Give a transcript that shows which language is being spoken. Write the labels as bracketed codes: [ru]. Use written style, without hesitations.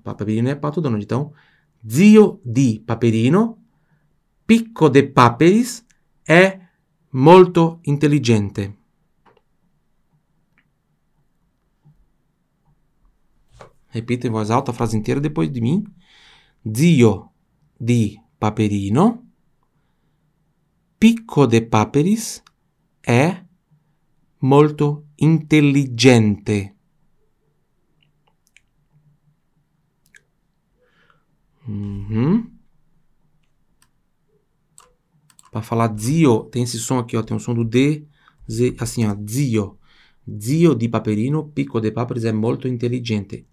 [pt] Paperino é pato Donald, então. [it] Zio di Paperino, Pico de Paperis, é molto intelligente. [pt] Repita em voz alta a frase inteira depois de mim. [it] Zio di Paperino, Pico de Paperis è molto intelligente. [pt] Para falar zio, tem esse som aqui, ó, tem um som do D, Z, assim, ó, zio. [it] Zio di Paperino, Pico de Paperis è molto intelligente.